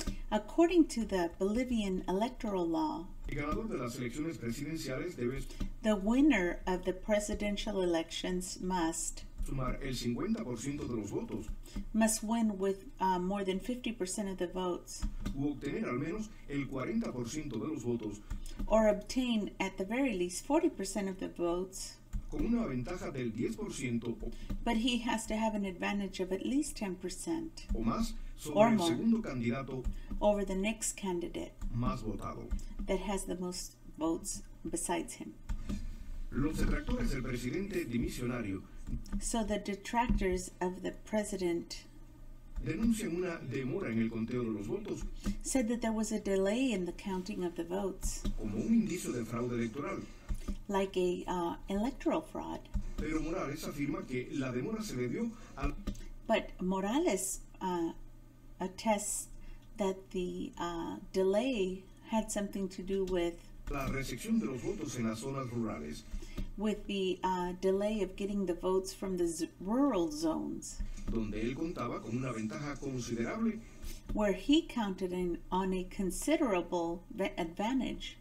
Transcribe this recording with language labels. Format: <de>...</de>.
<en>according to the Bolivian electoral law,</en> <es>el ganador de las elecciones presidenciales debe,</es> <en>the winner of the presidential elections must</en> <es>sumar el 50% de los votos,</es> <en>must win with more than 50% of the votes,</en> <es>u obtener al menos el 40% de los votos,</es> <en>or obtain at the very least 40% of the votes,</en> <es>con una ventaja del 10%,</es> <en>but he has to have an advantage of at least 10%</en> <es>o más sobre or el more segundo candidato,</es> <en>over the next candidate</en> <es>más votado,</es> <en>that has the most votes besides him.</en> <es>Los detractores del presidente dimisionario,</es> <en>so the detractors of the president,</en> <es>denuncian una demora en el conteo de los votos,</es> <en>said that there was a delay in the counting of the votes,</en> <es>como un indicio de fraude electoral,</es> <en>like a electoral fraud.</en> <es>Pero Morales afirma que la demora se debió a...</es> <en>But Morales attests that the delay had something to do with</en> <es>la recepción de los votos en las zonas rurales,</es> <en>with the delay of getting the votes from the rural zones,</en> <es>donde él contaba con una ventaja considerable,</es> <en>where he counted in on a considerable advantage</en>